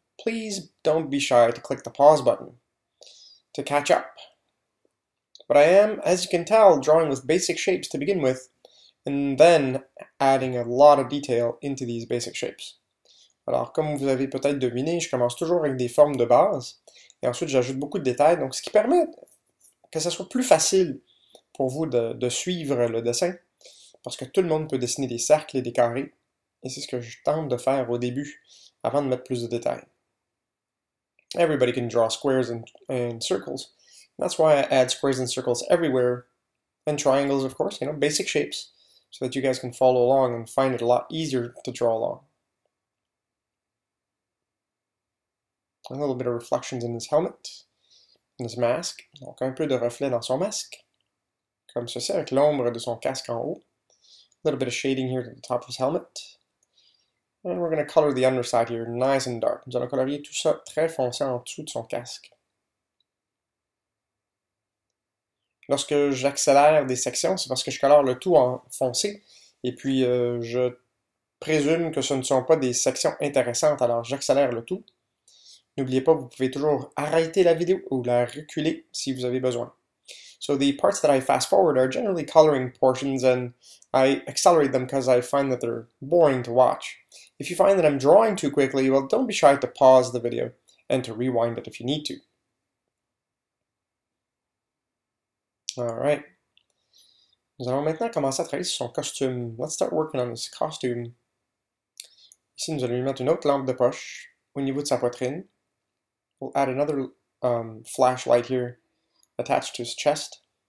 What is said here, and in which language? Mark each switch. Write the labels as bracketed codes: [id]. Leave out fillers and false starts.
[en] please don't be shy to click the pause button to catch up. But I am, as you can tell, drawing with basic shapes to begin with, and then adding a lot of detail into these basic shapes. [fr] Alors, comme vous avez peut-être deviné, je commence toujours avec des formes de base, et ensuite j'ajoute beaucoup de détails, donc ce qui permet que ce soit plus facile pour vous de suivre le dessin, parce que tout le monde peut dessiner des cercles et des carrés, et c'est ce que je tente de faire au début, avant de mettre plus de détails. [en] Everybody can draw squares and circles. That's why I add squares and circles everywhere, and triangles, of course, you know, basic shapes, so that you guys can follow along and find it a lot easier to draw along. A little bit of reflections in his helmet, in his mask, [fr] donc un peu de reflet dans son masque, comme ceci, avec l'ombre de son casque en haut. [en] A little bit of shading here at the top of his helmet. And we're going to color the underside here nice and dark. [fr] Nous allons colorier tout ça très foncé en dessous de son casque. Lorsque j'accélère des sections, c'est parce que je colore le tout en foncé, et puis je présume que ce ne sont pas des sections intéressantes, alors j'accélère le tout. N'oubliez pas, vous pouvez toujours arrêter la vidéo ou la reculer si vous avez besoin. [en] So the parts that I fast forward are generally coloring portions, and I accelerate them because I find that they're boring to watch. If you find that I'm drawing too quickly, well, don't be shy to pause the video and to rewind it if you need to. [fr] Alright, nous allons maintenant commencer à travailler sur son costume. [en] Let's start working on his costume. [fr] Ici, nous allons lui mettre une autre lampe de poche au niveau de sa poitrine. [en] We'll add another flashlight here attached to his chest.